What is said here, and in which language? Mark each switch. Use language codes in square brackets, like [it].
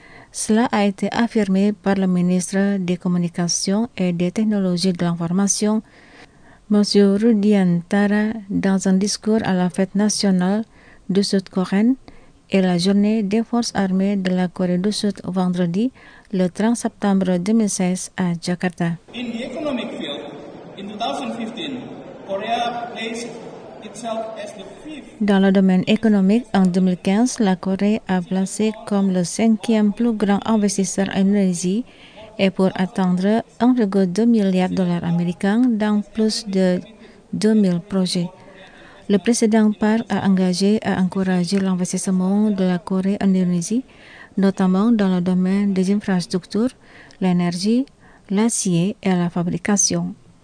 [fr] Cela a été affirmé par le ministre des Communications et des Technologies de l'Information, M. Rudiantara, dans un discours à la fête nationale du Sud-Coréen et la journée des forces armées de la Corée du Sud vendredi, le 30 septembre 2016 à Jakarta. [en] In the economic field, in 2015, Korea placed itself as the fifth. [fr] Dans le domaine économique, en 2015, la Corée a placé comme le cinquième plus grand investisseur en Indonésie et pour atteindre 1,2 milliard de dollars américains dans plus de 2000 projets. Le président Park a engagé à encourager l'investissement de la Corée en Indonésie, notamment dans le domaine des infrastructures, l'énergie, l'acier et la fabrication.